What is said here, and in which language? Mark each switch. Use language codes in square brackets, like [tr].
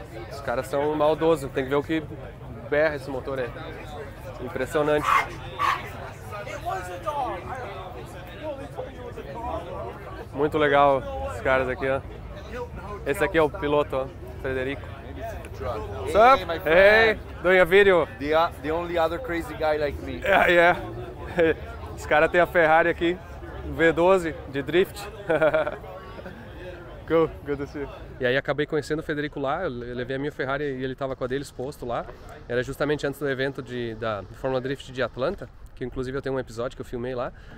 [pt] Os caras são maldosos. Tem que ver o que berra esse motor aí. Impressionante. Muito legal os caras aqui, ó. Esse aqui é o piloto, ó, Federico. [en] What's up? Hey, doing a video. The only other crazy guy like me. Yeah. [pt] Esse cara tem a Ferrari aqui, V12 de drift. [en] Cool, good to see you. [pt] E aí acabei conhecendo o Federico lá, eu levei a minha Ferrari e ele estava com a dele exposto lá. Era justamente antes do evento da Fórmula Drift de Atlanta, que inclusive eu tenho um episódio que eu filmei lá.